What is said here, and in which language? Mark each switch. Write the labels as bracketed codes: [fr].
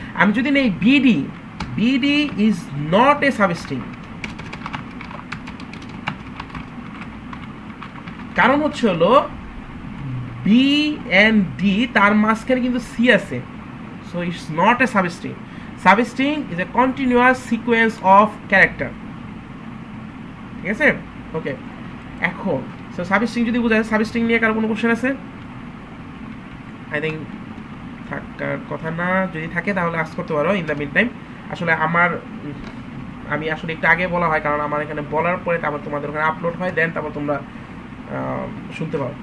[bn] আমি যদি নেই BD, [en] BD is not a substring, [bn] কারণ হচ্ছে হলো বি এন্ড ডি তার মাঝখানে কিন্তু সি আছে, [en] So it's not a substring. Substring is a continuous sequence of character. [bn] ঠিক আছে, ওকে এখন সো সাবস্ট্রিং যদি বোঝা যায়, সাবস্ট্রিং নিয়ে কারো কোনো কোশ্চেন আছে? আই থিঙ্ক থাকার কথা না, যদি থাকে তাহলে আস্ক করতে পারো [en] In the mid time. [bn] আসলে আমার আমি আসলে একটু আগে বলা হয়, কারণ আমার এখানে বলার পরে তারপর তোমাদের ওখানে আপলোড হয়, দেন তারপর তোমরা শুনতে পাও।